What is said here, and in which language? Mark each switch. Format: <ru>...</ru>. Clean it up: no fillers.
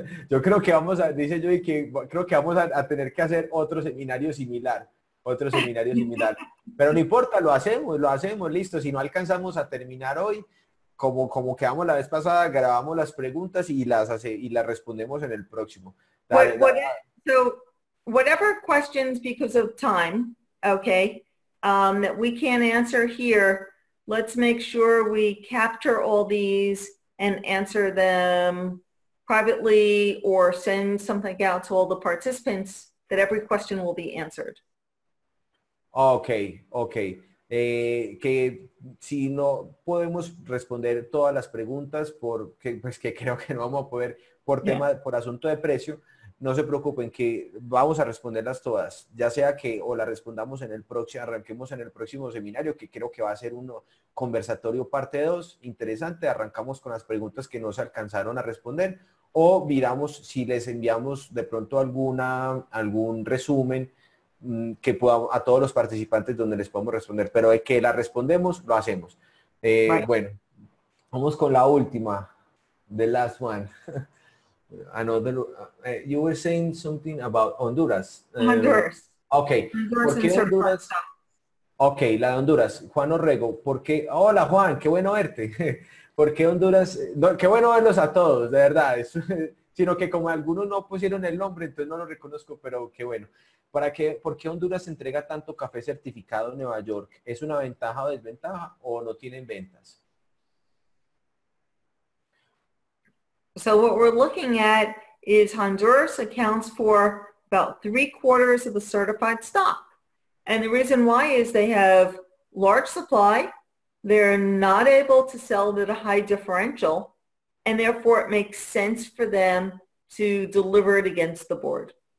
<es>Yo creo que vamos a, dice Judy, que creo que vamos a tener que hacer otro seminario similar, otro seminario similar. Pero no importa, lo hacemos, listo. Si no alcanzamos a terminar hoy, como quedamos la vez pasada, grabamos las preguntas y las respondemos en el próximo. Dale, dale.</es> <en>So whatever questions because of time, okay, that we can't answer here, let's make sure we capture all these and answer them privately or send something out to all the participants that every question will be answered. Ok.</en> <es>Que si no podemos responder todas las preguntas, porque pues que creo que no vamos a poder por tema, por asunto de precio, no se preocupen que vamos a responderlas todas, ya sea que o las respondamos en el próximo, arranquemos en el próximo seminario, que creo que va a ser un conversatorio parte 2, interesante, arrancamos con las preguntas que no se alcanzaron a responder, o miramos si les enviamos de pronto algún resumen que podamos a todos los participantes donde les podemos responder, pero de que la respondemos, lo hacemos. Bueno, vamos con la última,</es> <en>the last one. I know that you were saying something about Honduras. Honduras. Okay, Honduras</en> <es>¿por</es> <en>and</en> <es>qué</es> <en>certified</en> <es>Honduras?</es> <en>stuff.</en> <es>Okay, la de Honduras, Juan Orrego, ¿por qué? Hola Juan, qué bueno verte. ¿Por qué Honduras? No, qué bueno verlos a todos, de verdad, sino que como algunos no pusieron el nombre, entonces no lo reconozco, pero qué bueno. ¿Por qué Honduras entrega tanto café certificado en Nueva York? ¿Es una ventaja o desventaja o no tienen ventas?</es> <en>So what we're looking at is Honduras accounts for about 3/4 of the certified stock. And the reason why is they have large supply, they're not able to sell it at a high differential, and therefore it makes sense for them to deliver it against the board.</en>